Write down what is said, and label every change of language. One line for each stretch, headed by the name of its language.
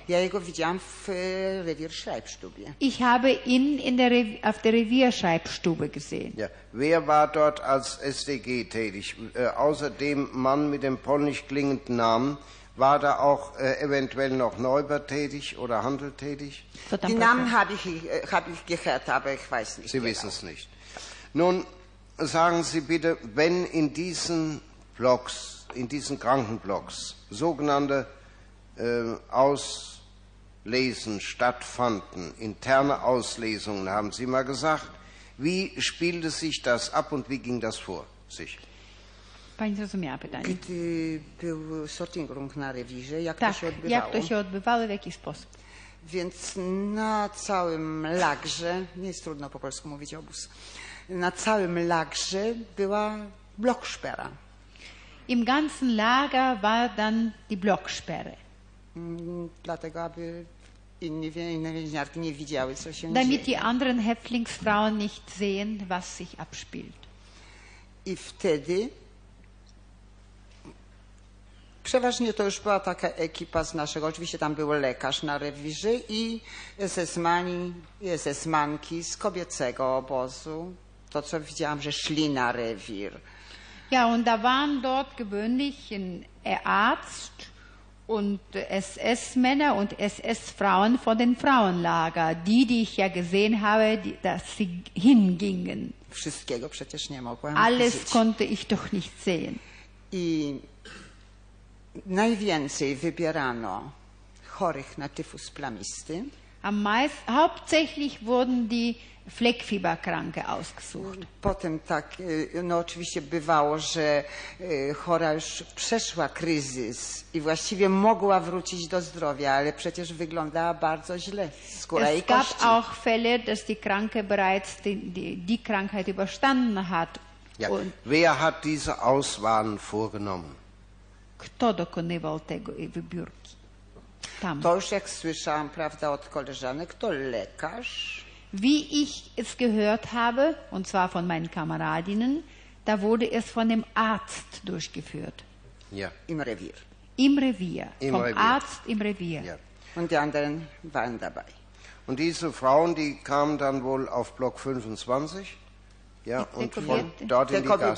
Polish: Ja jego widziałam w Revierschreibstube.
German: Ich habe ihn auf der Revierschreibstube gesehen. Ja. Wer war dort als SDG tätig? Außer dem Mann mit dem polnisch klingenden Namen, war da auch eventuell noch Neubert tätig oder Handel tätig? Die Namen habe ich gehört, aber ich weiß nicht. Sie wissen es nicht. Nun, sagen Sie bitte, wenn in diesen Blocks, in diesen Krankenblocks, sogenannte Auslesen stattfanden, interne Auslesungen, haben Sie mal gesagt. Wie spielte sich das ab und wie ging das vor sich?
Polish: Pani zrozumiała pytanie. Gdy był sortingrunk na rewirze, jak tak, to się odbywało? Jak to się odbywało, w jaki sposób? Więc na całym lagrze, nie jest trudno po polsku mówić obóz, na całym lagrze była bloksperra.
German: Im ganzen Lager war dann die Blocksperre.
Polish: Dlatego, aby inne więźniarki nie widziały, co się
German: damit
Polish: dzieje.
German: Die anderen Häftlingsfrauen nicht sehen, was sich abspielt.
Polish: I wtedy przeważnie to już była taka ekipa z naszego, oczywiście tam był lekarz na rewirze i SS-mani, SS-manki z kobiecego obozu. To, co widziałam, że szli na rewir.
German: Ja, und da waren dort gewöhnlich ein Arzt und SS-Männer und SS-Frauen von den Frauenlager, die ich ja gesehen habe, dass sie hingingen.
Polish: Wszystkiego przecież nie mogłam.
German: Alles konnte ich doch nicht sehen.
Polish: I najwięcej wybierano chorych na tyfus plamisty.
German: Hauptsächlich wurden die Fleckfieberkranke ausgesucht.
Polish: Potem tak, no oczywiście bywało, że chora już przeszła kryzys i właściwie mogła wrócić do zdrowia, ale przecież wyglądała bardzo źle, skóra
German: es
Polish: i kości.
German: Es gab auch Fälle, dass die Kranke bereits die Krankheit überstanden hat. Ja. Wer hat diese Auswahl vorgenommen?
Polish: Kto dokonywał tego wybiórki? Tam. To już jak słyszałam, prawda, od koleżanek, to lekarz.
German: Wie ich es gehört habe, und zwar von meinen Kameradinnen, da wurde es von dem Arzt durchgeführt. Ja, im Revier. Im Revier, im vom Revier. Arzt im Revier. Ja. Und die anderen waren dabei. Und diese Frauen, die kamen dann wohl auf Block 25, ja, und von dort in die Gaskammer.